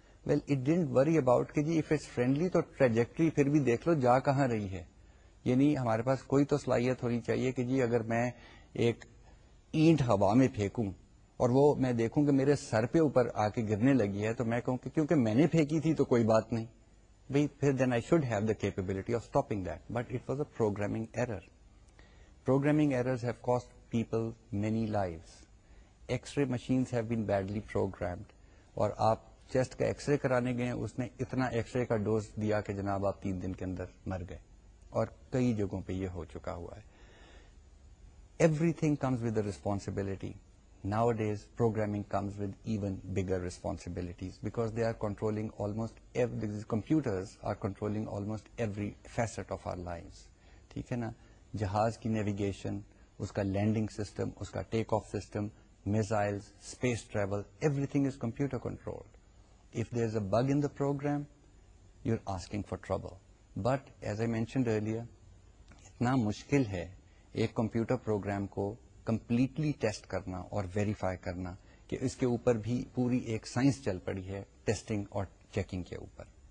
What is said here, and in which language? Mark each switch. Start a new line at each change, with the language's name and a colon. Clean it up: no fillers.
English: well it didn't worry about
Urdu: کہ جی
English: if it's friendly
Urdu: تو trajectory پھر بھی دیکھ لو جا کہاں رہی ہے. یعنی ہمارے پاس کوئی تو صلاحیت ہونی چاہیے کہ جی اگر میں ایک اینٹ ہوا میں پھینکوں اور وہ میں دیکھوں کہ میرے سر پہ اوپر آ کے گرنے لگی ہے تو میں کہوں کہ کیونکہ میں نے پھینکی تھی تو کوئی بات نہیں.
English: Then I should have the capability of stopping that. But it was a programming error. Programming errors have cost people many lives. X-ray machines have been badly programmed.
Urdu: اور آپ چیسٹ کا ایکس رے کرانے گئے, اس نے اتنا X ray کا dose دیا کہ جناب آپ 3 دن کے اندر مر گئے. اور کئی جگہوں پہ یہ ہو چکا ہوا ہے.
English: Everything comes with responsibility. Nowadays, programming comes programming comes with even bigger responsibilities because they are controlling almost computers are controlling almost every facet of our life, ٹھیک ہے نا.
Urdu: جہاز کی نیویگیشن, اس کا لینڈنگ سسٹم, اس کا ٹیک of system, missile, space travel,
English: Everything is computer control. If there is a bug in the program you are asking for trouble. But as I mentioned earlier,
Urdu: اتنا مشکل ہے ایک computer program کو completely test کرنا اور verify کرنا کہ اس کے اوپر بھی پوری ایک سائنس چل پڑی ہے ٹیسٹنگ اور چیکنگ کے اوپر.